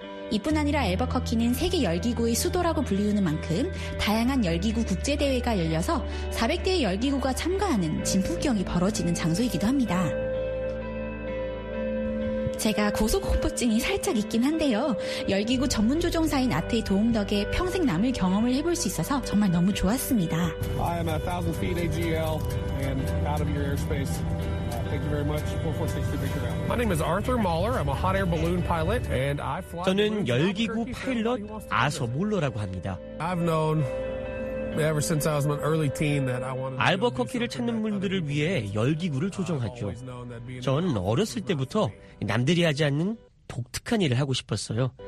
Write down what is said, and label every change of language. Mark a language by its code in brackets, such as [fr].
[ko] 이뿐 아니라 앨버커키는 세계 열기구의 수도라고 불리우는 만큼 다양한 열기구 국제대회가 열려서 400대의 열기구가 참가하는 진풍경이 벌어지는 장소이기도 합니다. 제가 고소공포증이 살짝 있긴 한데요. 열기구 전문조종사인 아트의 도움 덕에 평생 남을 경험을 해볼 수 있어서 정말 너무 좋았습니다. [en] I am 1,000 feet AGL and out of your airspace. Thank you very much. 4462 Victor. My name is Arthur Mahler. I'm a hot air balloon pilot and I fly [ko] 저는 열기구 파일럿 아서 몰러라고 합니다. [en] I've known ever since I was an early teen that I wanted [ko] 알버커키를 찾는 분들을 위해 열기구를 조종하죠. 전 어렸을 때부터 남들이 하지 않는 독특한 일을 하고 싶었어요.